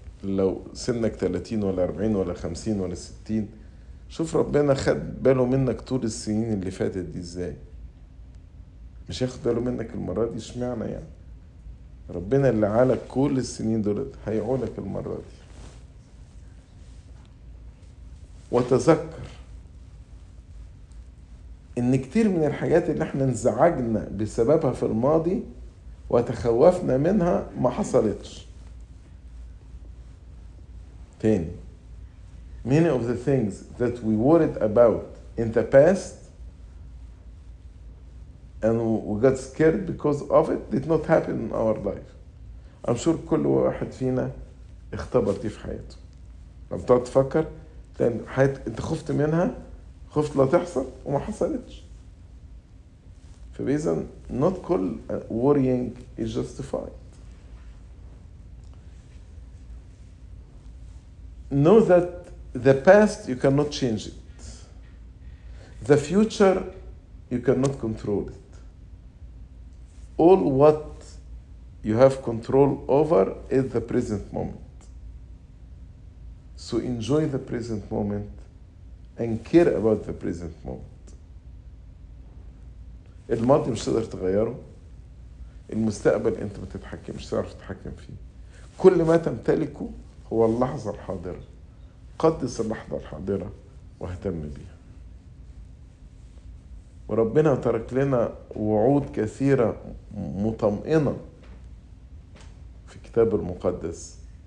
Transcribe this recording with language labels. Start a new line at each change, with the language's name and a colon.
Arabic: لو سنك 30 ولا 40 ولا 50 ولا 60، شوف ربنا خد باله منك طول السنين اللي فاتت دي ازاي، مش هياخد باله منك المرة دي؟ اشمعنى يعني؟ ربنا اللي عالك كل السنين دول هيعولك المرة دي. وتذكر ان كتير من الحاجات اللي احنا انزعجنا بسببها في الماضي وتخوفنا منها ما حصلتش. تاني،
English: many of the things that we worried about in the past and we got scared because of it did not happen in our life. I'm sure
Arabic: كل واحد فينا اختبر دي في حياته. لما تقعد تفكر لان حياتك انت خفت منها، خفت لا تحصل وما حصلتش. فبإذا
English: not
Arabic: كل
English: worrying is justified. Know that the past you cannot change it. The future you cannot control it. All what you have control over is the present moment. So enjoy the present moment and care about the present moment.
Arabic: الماضي مش تقدر تغيره. المستقبل انت ما تتحكمش، مش تعرف تتحكم فيه. كل ما تمتلكه هو اللحظة الحاضرة. قدس اللحظة الحاضرة واهتم بيها. وربنا ترك لنا وعود كثيرة مطمئنة في الكتاب المقدس.